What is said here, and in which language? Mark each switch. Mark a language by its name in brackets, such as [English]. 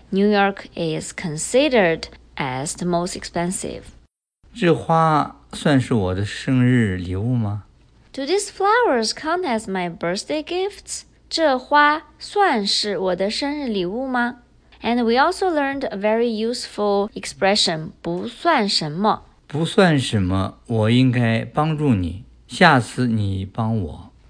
[English] New York is considered as the most expensive. [Chinese] 这花算是我的生日礼物吗? [English] Do these flowers count as my birthday gifts? [Chinese] 这花算是我的生日礼物吗? [English] And we also learned a very useful expression, 不算什么。 [Chinese] 不算什么,我应该帮助你,下次你帮我。